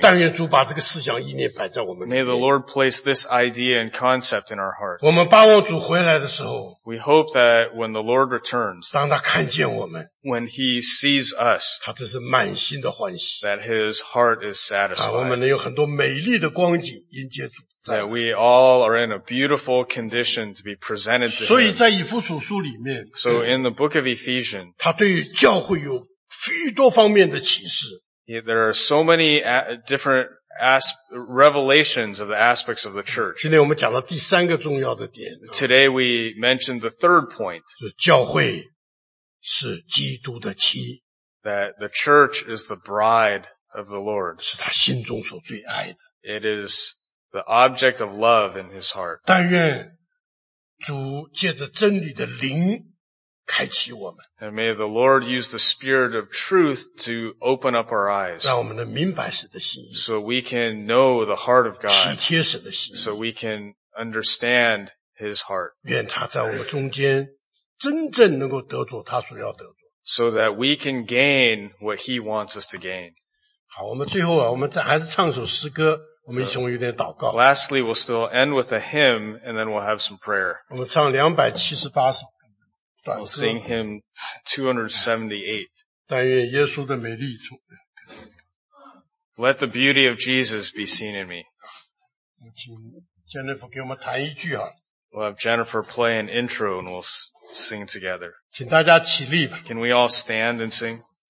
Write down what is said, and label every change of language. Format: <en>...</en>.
<zh>但愿主把这个思想意念摆在我们里面。</zh> <en>May the Lord place this idea and concept in our hearts.</en> <zh>我们盼望主回来的时候。</zh> <en>We hope that when the Lord returns.</en> <zh>当他看见我们。</zh> <en>When he sees us.</en> <zh>他这是满心的欢喜。</zh> <en>That his heart is satisfied.</en> <zh>我们能有很多美丽的光景迎接主。</zh> <en>That we all are in a beautiful condition to be presented to him.</en> <zh>所以在以弗所书里面。</zh> <en>So in the book of Ephesians.</en> <zh>他对教会有许多方面的启示。</zh> <en>There are so many different revelations of the aspects of the church.</en> <zh>今天我们讲了第三个重要的点。</zh> <en>Today we mentioned the third point.</en> <zh>教会是基督的妻。</zh> <en>That the church is the bride of the Lord.</en> <zh>是他心中所最爱的。</zh> <en>It is the object of love in his heart.</en> <zh>但愿主借着真理的灵开启我们。</zh> <en>And may the Lord use the spirit of truth to open up our eyes.</en> <zh>让我们能明白神的心意。</zh> <en>So we can know the heart of God.</en> <zh>体贴神的心意。</zh> <en>So we can understand his heart.</en> <zh>愿他在我们中间真正能够得着他所要得着。</zh> <en>So that we can gain what he wants us to gain.</en> <zh>好，我们最后啊，我们再还是唱首诗歌。我们一起用一点祷告。</zh> <en>Lastly, we'll still end with a hymn, and then we'll have some prayer.</en> <zh>我们唱278首短诗。</zh> <en>We'll sing hymn 278.</en> <zh>但愿耶稣的美丽从。</zh> <en>Let the beauty of Jesus be seen in me.</en> <zh>请 Jennifer 给我们弹一句哈。</zh> <en>We'll have Jennifer play an intro, and we'll sing together.</en> <zh>请大家起立吧。</zh> <en>Can we all stand and sing?</en>